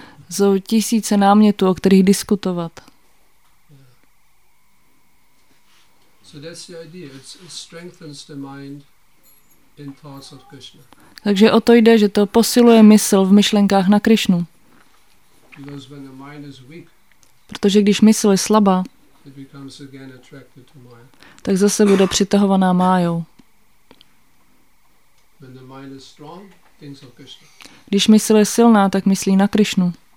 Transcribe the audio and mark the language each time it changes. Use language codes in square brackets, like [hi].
[cs] Jsou tisíce námětů, o kterých diskutovat. [en] So that's the idea. It strengthens the mind in thoughts of Krishna. [cs] Takže o to jde, že to posiluje mysl v myšlenkách na Krišnu. [en] Because when the mind is weak, [cs] protože když mysl je slabá, [en] it becomes again attracted to Maya. [cs] Tak zase bude přitahovaná Májou. [en] When the mind is strong, thinks of Krishna. [cs] Když mysl je silná, tak myslí na Krišnu.